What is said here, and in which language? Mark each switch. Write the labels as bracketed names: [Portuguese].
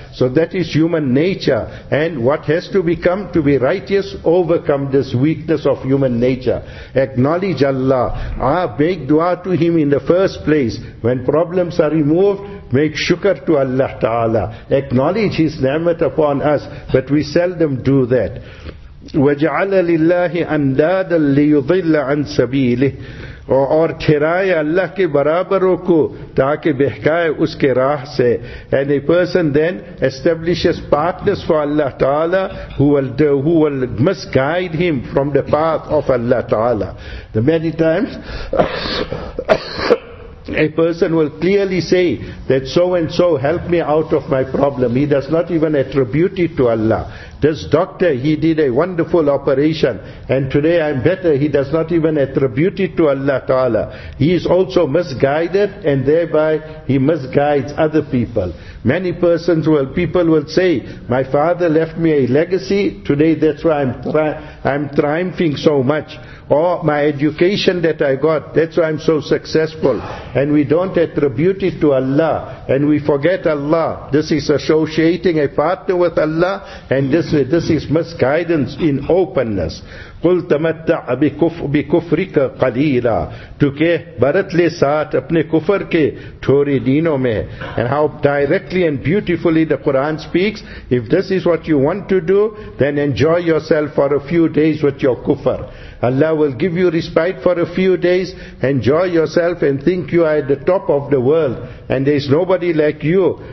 [English] So that is human nature. And what has to become to be righteous, overcome this weakness of human nature. Acknowledge Allah. Make dua to Him in the first place. When problems are removed, make shukr to Allah Ta'ala. Acknowledge His ni'mat upon us. But we seldom do that. [Arabic] وَجَعَلَ لِلَّهِ أَنْدَادًا لِيُضِلَّ عَنْ سَبِيلِهِ [Urdu] اور ٹھہرائے اللہ کے برابروں کو تاکہ بہکائے اس کے راہ سے. [English] And a person then establishes partners for Allah Ta'ala who will must guide him from the path of Allah Ta'ala. The many times A person will clearly say that so and so help me out of my problem. He does not even attribute it to Allah. This doctor, he did a wonderful operation and today I'm better. He does not even attribute it to Allah Ta'ala. He is also misguided and thereby he misguides other people. Many persons will, people will say, my father left me a legacy. Today that's why I'm triumphing so much. Or my education that I got, that's why I'm so successful. And we don't attribute it to Allah. And we forget Allah. This is associating a partner with Allah. And this is misguidance in openness. [Arabic] قُلْ تَمَتَّعْ بِكُفْرِكَ قَلِيلًا [Urdu] تُو کہ بَرَتْ لِي سَاتْ اپنے کفر کے تھوڑے دینوں میں. [English] And how directly and beautifully the Quran speaks, if this is what you want to do, then enjoy yourself for a few days with your kufr. Allah will give you respite for a few days. Enjoy yourself and think you are at the top of the world and there is nobody like you.